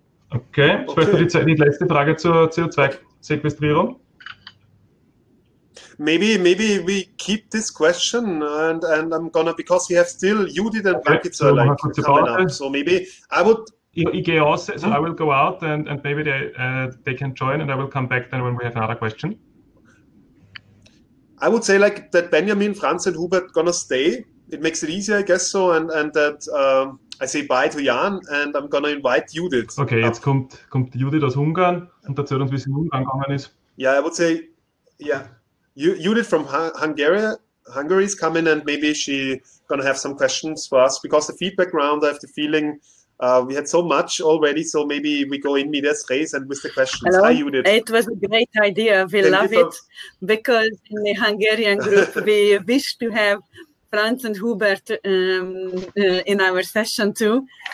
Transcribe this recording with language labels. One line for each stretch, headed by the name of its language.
German: Okay, ich möchte die letzte Frage zur CO2-Sequestrierung.
English: Maybe we keep this question and I'm gonna, because we have still Judith and Birgit so like coming up. So maybe I would. I will go out and maybe they can join and I will come back then when we have another question. I would say like that Benjamin, Franz and Hubert gonna stay. It makes it easier, I guess so. And that I say bye to Jan and I'm gonna invite Judith.
German: Okay, jetzt kommt Judith aus Ungarn und erzählt uns, wie sie in Ungarn gegangen ist.
English: Yeah, I would say, yeah. Judith from Hungary is coming and maybe she's going to have some questions for us because the feedback round, I have the feeling we had so much already, so maybe we go in medias res and with the questions. Hello. Hi, Judith. It was a great idea. We Thank love it because in the Hungarian group, we wish to have Franz and Hubert in our session too.